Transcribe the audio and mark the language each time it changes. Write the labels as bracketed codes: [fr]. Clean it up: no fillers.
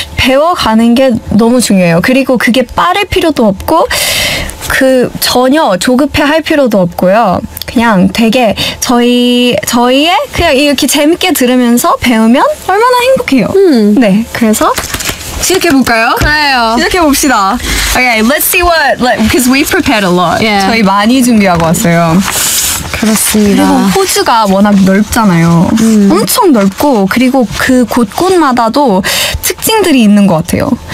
[ko] 배워가는 게 너무 중요해요. 그리고 그게 빠를 필요도 없고 전혀 조급해 할 필요도 없고요. 그냥 되게 저희의 그냥 이렇게 재밌게 들으면서 배우면 얼마나 행복해요. 네, 그래서 시작해볼까요? 그래요. 시작해봅시다. [en] Okay, let's see what, like, because we prepared a lot. Yeah. [ko] 저희 많이 준비하고 왔어요. 그렇습니다. 그리고 호주가 워낙 넓잖아요. 엄청 넓고 그리고 그 곳곳마다도 특징들이 있는 것 같아요.